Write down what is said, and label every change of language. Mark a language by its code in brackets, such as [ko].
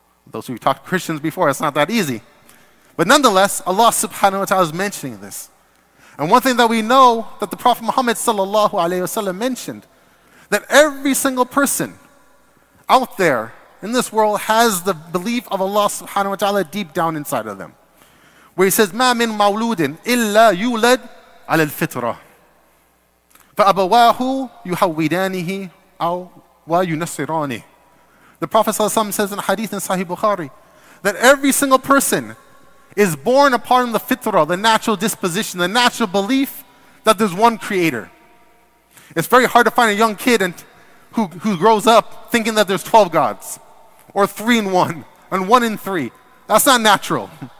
[en] Those who talked to Christians before, it's not that easy. But nonetheless, Allah subhanahu wa ta'ala is mentioning this. And one thing that we know that the Prophet Muhammad sallallahu alayhi wa sallam mentioned, that every single person out there in this world has the belief of Allah subhanahu wa ta'ala deep down inside of them. Where he says, [ar] مَا مِن مَوْلُودٍ إِلَّا يُولَدْ عَلَى الْفِطْرَةِ فَأَبَوَاهُ يُحَوِّدَانِهِ أَوْ وَيُنَصِّرَانِهِ. [en] The Prophet sallallahu alayhi wa sallam says in hadith in Sahih Bukhari, that every single person is born upon the fitrah, the natural disposition, the natural belief that there's one creator. It's very hard to find a young kid and who grows up thinking that there's 12 gods, or 3-in-1, and 1-in-3. That's not natural.